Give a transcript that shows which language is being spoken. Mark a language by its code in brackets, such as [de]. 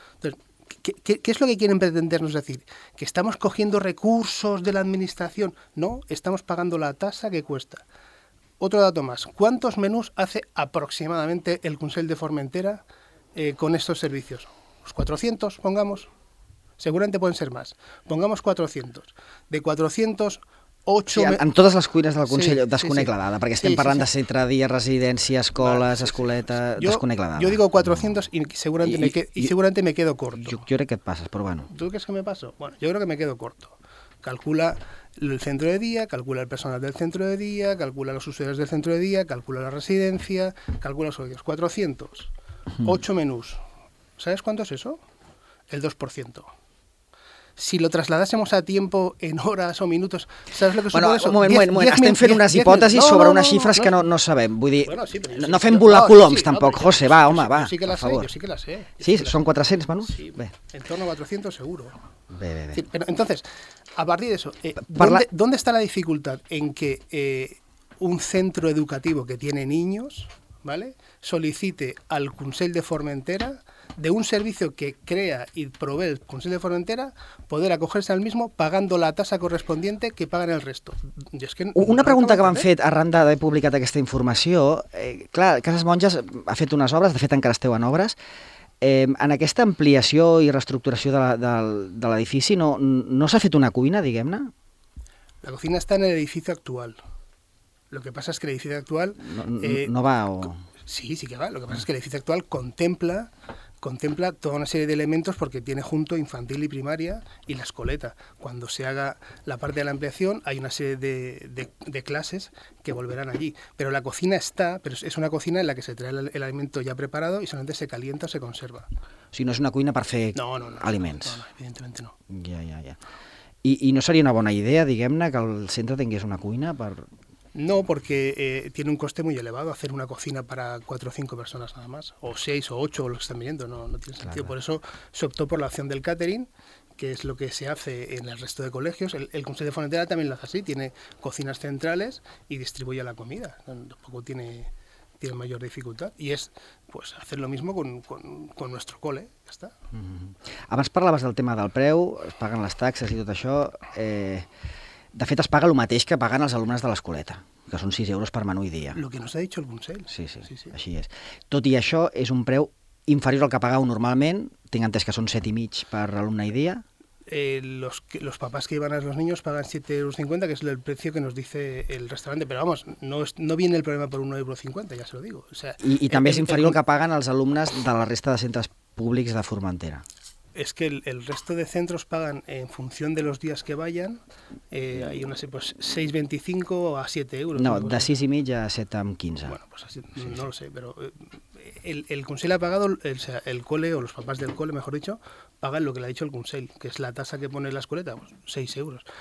[es] Entonces, ¿qué es lo que quieren pretendernos decir? ¿Que estamos cogiendo recursos de la administración? No, estamos pagando la tasa que cuesta. Otro dato más. ¿Cuántos menús hace aproximadamente el Consell de Formentera con estos servicios? Pues 400, pongamos. Seguramente pueden ser más. Pongamos 400. De 400... [ca] En totes les cuines del Consell, sí, desconeclada, perquè estem parlant de centre dia, residència, escoles, escoleta, desconeclada. [es] Jo digo 400 y seguramente, seguramente me quedo corto. [ca] Jo crec que et passes, però bueno. [es] ¿Tú crees que me paso? Bueno, yo creo que me quedo corto. Calcula el centro de día, calcula el personal del centro de día, calcula los usuarios del centro de día, calcula la residencia, calcula los usuarios. 400, 8 menús. ¿Sabes cuánto es eso? El 2%. Si lo trasladásemos a tiempo, en horas o minutos, ¿sabes lo que supone eso? [ca] Bueno, estem fent unes hipòtesis sobre unes xifres que no sabem. Vull dir, no fem volar coloms tampoc, José, va, home, va. Sí que la sé, jo sí que la sé. Sí, són 400, menús? [es] Sí, en torno a 400 seguro. [ca] Bé, bé, bé. [es] Pero entonces, a partir de eso, ¿dónde está la dificultad en que un centro educativo que tiene niños, ¿vale?, solicite al Consell de Formentera de un servicio que crea y provee el Consell de Formentera, poder acogerse al mismo pagando la tasa correspondiente que pagan el resto? [ca] Es que una pregunta que m'han fet arran d'haver publicat aquesta informació, clar, Cases Monges ha fet unes obres, de fet encara esteu en obres, en aquesta ampliació i reestructuració de l'edifici no s'ha fet una cuina, diguem-ne? [es] La cocina [ca] està en l'edifici actual. [es] Lo que pasa es que [ca] l'edifici actual... [es] No va o... Sí, sí que va. Lo que pasa es que [ca] l'edifici actual [es] contempla toda una serie de elementos porque tiene junto infantil y primaria y la escoleta. Cuando se haga la parte de la ampliación hay una serie de clases que volverán allí. Pero la cocina está, pero es una cocina en la que se trae el alimento ya preparado y solamente se calienta o se conserva. Si no es una cuina para hacer alimentos. No, evidentemente no. Ya. ¿Y no sería una buena idea, [ca] diguem-ne, [es] que el centro [ca] tengués una cuina [es] para...? No, porque tiene un coste muy elevado hacer una cocina para 4 o 5 personas nada más, o 6 o 8 o lo que están viniendo, no tiene sentido. Claro. Por eso se optó por la opción del catering, que es lo que se hace en el resto de colegios. El Consell de Formentera también lo hace así, tiene cocinas centrales y distribuye la comida. Tampoco tiene mayor dificultad. Y es pues hacer lo mismo con nuestro cole. Ya está. Uh-huh. [ca] Abans parlaves del tema del preu, es paguen les taxes i tot això... De fet, es paga el mateix que paguen els alumnes de l'escoleta, que són 6 euros per menú i dia. [es] Lo que nos ha dicho el Consell. [ca] Sí, així és. Tot i això, és un preu inferior al que pagau normalment. Tinc entès que són 7,5 per alumne i dia. [es] Los papás que llevan a los niños pagan 7,50 euros, que es el precio que nos dice el restaurante, pero vamos, no viene el problema por 1,50 euros, ya se lo digo. O sea, [ca] I també és inferior al que paguen els alumnes de la resta de centres públics de Formentera. [es] Es que el resto de centros pagan en función de los días que vayan, hay una, pues 6,25 a 7 euros. No, de 6,5 a 7,15. Bueno, pues así, no lo sé, pero el Consell ha pagado, el cole o los papás del cole, mejor dicho, pagan lo que le ha dicho el Consell, que es la tasa que pone la escoleta, pues 6 euros.